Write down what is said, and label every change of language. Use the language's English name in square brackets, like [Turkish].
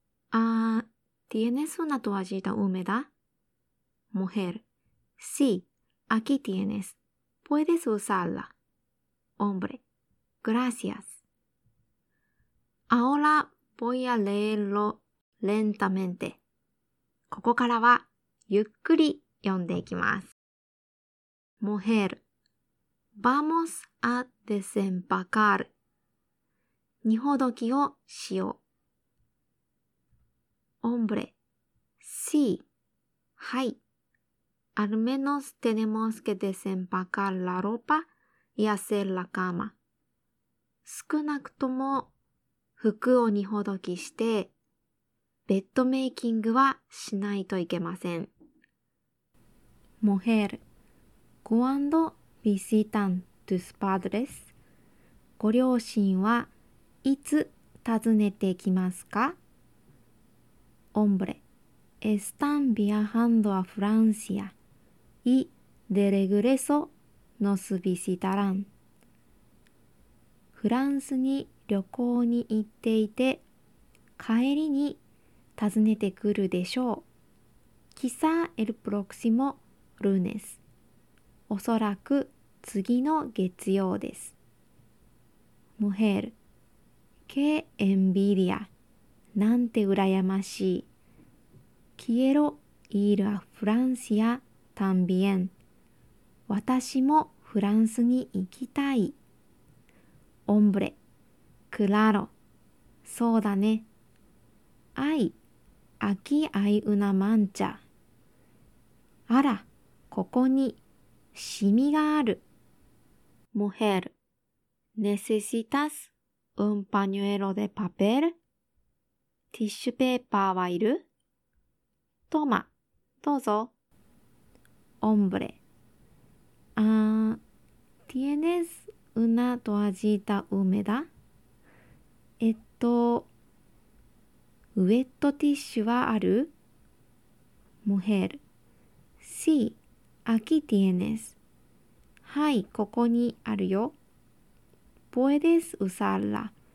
[Spanish] Ah, ¿tienes una toallita húmeda? Mujer. Sí, aquí tienes. Puedes usarla. Hombre. Gracias. Ahora voy a leerlo lentamente. [Japanese] ここからはゆっくり読んでいきます。 [Spanish] Mujer. Vamos a desempacar. [Japanese] 荷ほどきをしよう。 [Spanish] Hombre. Sí. [Japanese] はい。 [Spanish] Al menos tenemos que desempacar la ropa y hacer la cama. [Japanese] 少なくとも服を荷ほどきしてベッドメイキングはしないといけません。 [Spanish] Mujer, ¿cuándo visitan tus padres? [Japanese] ご両親はいつ訪ねてきますか [Spanish] ?Hombre, están viajando a Francia. Y de regreso nos visitarán. [Japanese] フランスに旅行に行っていて、帰りに訪ねてくるでしょう。 [Spanish] Quizá el próximo lunes. [Japanese] おそらく次の月曜です。 [Spanish] Mujer, qué envidia. [Japanese] なんて羨ましい。 [Spanish] Quiero ir a Francia. También. [Japanese] 私もフランスに行きたい。 [Spanish] Hombre. Claro. [Japanese] そうだね。 [Spanish] Ay. Aquí hay una mancha. [Japanese] あら、ここにシミがある。 [Spanish] Mujer. ¿Necesitas un pañuelo de papel? [Japanese] ティッシュペーパーはいる？トマ、どうぞ。 [Spanish] Hombre, ¿tienes una toallita húmeda? [Japanese] ウェットティッシュはある? [Spanish] Mujer, sí, aquí tienes. [Japanese] はい、ここにあるよ。 [Spanish] Puedes usarla.